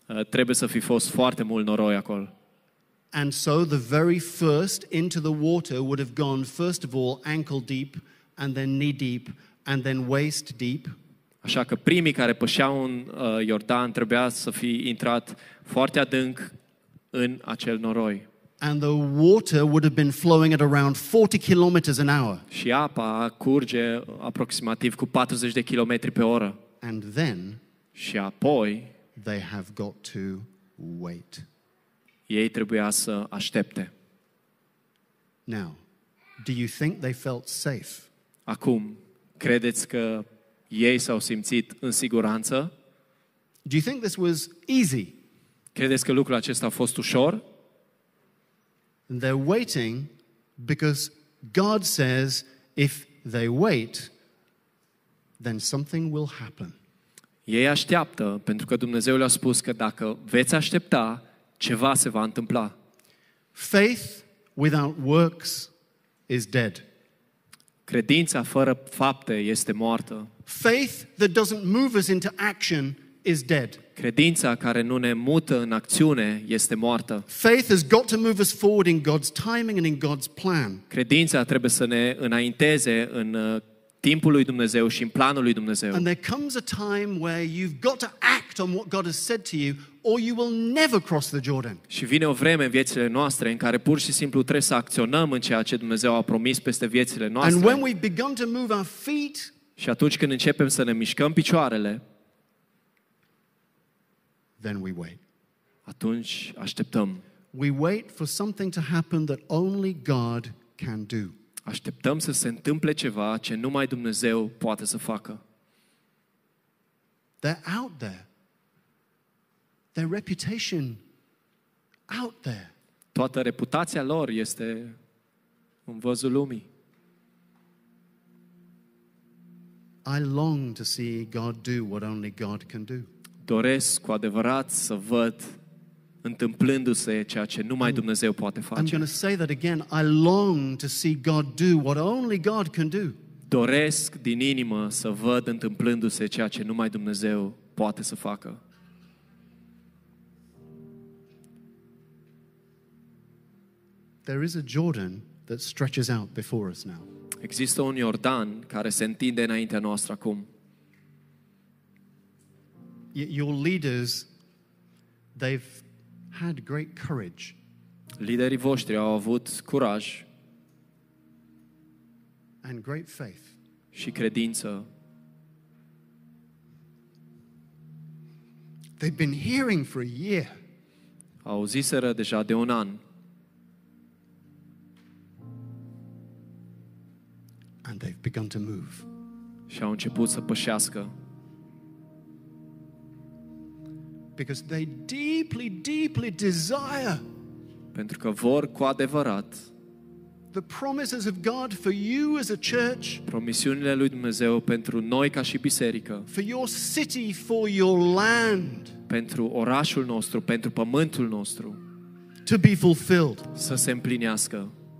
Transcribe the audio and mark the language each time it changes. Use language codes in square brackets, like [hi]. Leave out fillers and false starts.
[ro] Trebuie să fi fost foarte mult noroi acolo. [en] And so the very first into the water would have gone first of all ankle deep and then knee deep and then waist deep. [ro] Așa că primii care pășeau în Iordan trebuia să fi intrat foarte adânc în acel noroi. [en] And the water would have been flowing at around 40 kilometers an hour. [ro] Și apa curge aproximativ cu 40 de kilometri pe oră. [en] And then [ro] și apoi [en] they have got to wait. [ro] Ei trebuia să aștepte. [en] Now, do you think they felt safe? [ro] Acum, credeți că ei s-au simțit în siguranță? [en] Do you think this was easy? [ro] Credeți că lucrul acesta a fost ușor? [en] And they're waiting because God says if they wait, then something will happen. [ro] Ei așteaptă pentru că Dumnezeu le-a spus că dacă veți aștepta, ceva se va întâmpla. [en] Faith without works is dead. [ro] Credința fără fapte este moartă. [en] Faith that doesn't move us into action is dead. [ro] Credința care nu ne mută în acțiune este moartă. [en] Faith has got to move us forward in God's timing and in God's plan. [ro] Credința trebuie să ne înainteze în timpul lui Dumnezeu și în planul lui Dumnezeu. [en] And there comes a time where you've got to act on what God has said to you or you will never cross the Jordan. [ro] Și vine o vreme în viețile noastre în care pur și simplu trebuie să acționăm în ceea ce Dumnezeu a promis peste viețile noastre. [en] And when we begin to move our feet, [ro] și atunci când începem să ne mișcăm picioarele, [en] then we wait. [ro] Atunci așteptăm. [en] We wait for something to happen that only God can do. [ro] Așteptăm să se întâmple ceva ce numai Dumnezeu poate să facă. [en] They're out there. Their reputation out there. [ro] Toată reputația lor este în văzul lumii. [en] I long to see God do what only God can do. [ro] Doresc cu adevărat să văd întâmplându-se ceea ce numai Dumnezeu poate face. [en] I'm going to say that again. I long to see God do what only God can do. [ro] Doresc din inimă să văd întâmplându-se ceea ce numai Dumnezeu poate să facă. [en] There is a Jordan that stretches out before us now. [ro] Există un Iordan care se întinde înaintea noastră acum. [en] Your leaders, they've had great courage. [ro] Liderii voștri au avut curaj. [en] And great faith. [ro] Și credință. [en] They've been hearing for a year. [ro] Auziseră deja de un an. [en] And they've begun to move. [ro] Și au început să pășească. [en] Because they deeply, deeply desire. [ro] Pentru că vor cu adevărat. [en] The promises of God for you as a church. [ro] Promisiunile lui Dumnezeu pentru noi ca și biserică. [en] For your city, for your land. [ro] Pentru orașul nostru, pentru pământul nostru. [en] To be fulfilled. [ro] Să se împlinească.